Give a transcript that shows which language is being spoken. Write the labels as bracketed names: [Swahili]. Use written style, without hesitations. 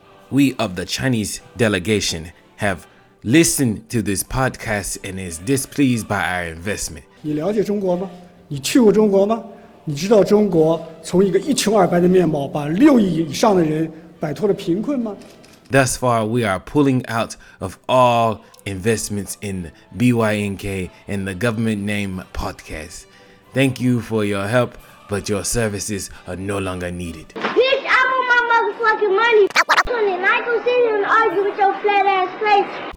[English] We of the Chinese delegation have listened to this podcast and is displeased by our investment. [Chinese] 你了解中国吗?你去过中国吗? 你知道中国从一个一穷二白的面貌把6亿以上的人摆脱了贫困吗? [English] Thus far, we are pulling out of all investments in BYNK and the government name podcast. Thank you for your help. But your services are no longer needed. Bitch, I want my motherfucking money. And I ain't gonna sit here and argue with your flat ass face.